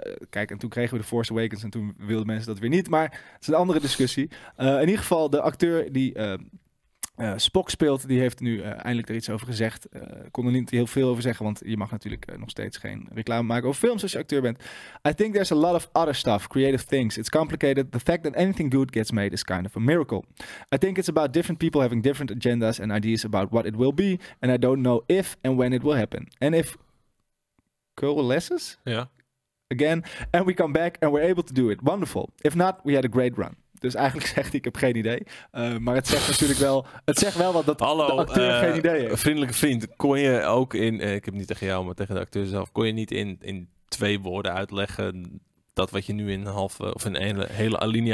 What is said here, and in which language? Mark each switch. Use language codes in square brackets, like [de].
[nl] Kijk, en toen kregen we de Force Awakens en toen wilden mensen dat weer niet. Maar het is een andere discussie. In ieder geval, de acteur die... Spock speelt, die heeft nu eindelijk er iets over gezegd. Kon er niet heel veel over zeggen, want je mag natuurlijk nog steeds geen reclame maken over films als je acteur bent. [en] I think there's a lot of other stuff, creative things. It's complicated. The fact that anything good gets made is kind of a miracle. I think it's about different people having different agendas and ideas about what it will be. And I don't know if and when it will happen. And if coalesces? Yeah. Again, and we come back and we're able to do it. Wonderful. If not, we had a great run. [nl] Dus eigenlijk zegt hij, ik heb geen idee. Maar het zegt natuurlijk wel... Het zegt wel wat dat hallo, de acteur geen idee heeft. Vriendelijke vriend, kon je ook in... ik heb niet tegen jou, maar tegen de acteur zelf... Kon je niet in twee woorden uitleggen... dat wat je nu in een halve of in een hele alinea